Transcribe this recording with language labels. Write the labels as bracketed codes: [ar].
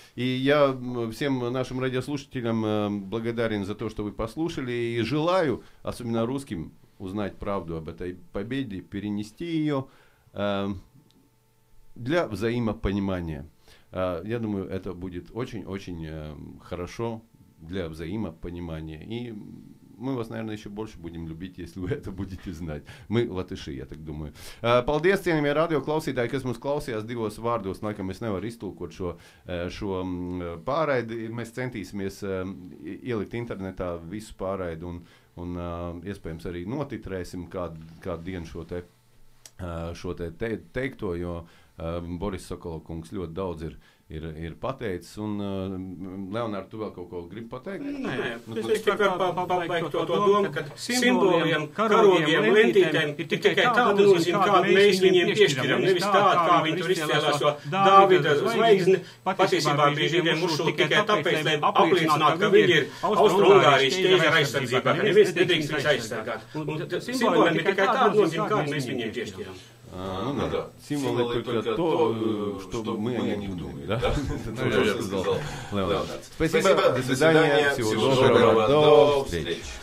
[ru] И я всем нашим радиослушателям благодарен за то, что вы послушали, и желаю, особенно русским, узнать правду об этой победе, перенести ее для взаимопонимания. Я думаю, это будет очень-очень хорошо для взаимопонимания. И мы вас, наверное, еще больше будем любить, если вы это будете знать. Мы латыши, я так думаю. [lv] Paldies, cienījamie radio klausītāji, kas mums klausījās divos vārdos. Laikam es nevaru iztulkot šo pāraidi. Mēs centīsimies ielikt internetā visu pāraidi un iespējams arī notitrēsim kādu dienu šo teikto, jo Boris Sokolovkungs ļoti daudz ir pateicis, un Leonārd, tu vēl kaut ko gribi pateikt? Nē, es tikai pabeigtu to domu, ka simboliem, karogiem, lentītēm ir tikai tāda nozīme, kādu mēs viņiem piešķiram, nevis tādu, kā viņi tur izcēlās, jo Dāvida zvaigzne patiesībā bija viņiem uzšūta tikai tāpēc, lai apliecinātu, ka viņi ir Austro-Ungārijas ķēzara aizsardzībā, ka neviens nedrīkst viņus aizsargāt. Simboliem ir tikai tāda nozīme, kādu mēs viņiem piešķiram. [ru] Символы только то, что мы о них думаем. Да? Да? Ну, я сказал. Леонард. Спасибо, до свидания, всего доброго, до встречи.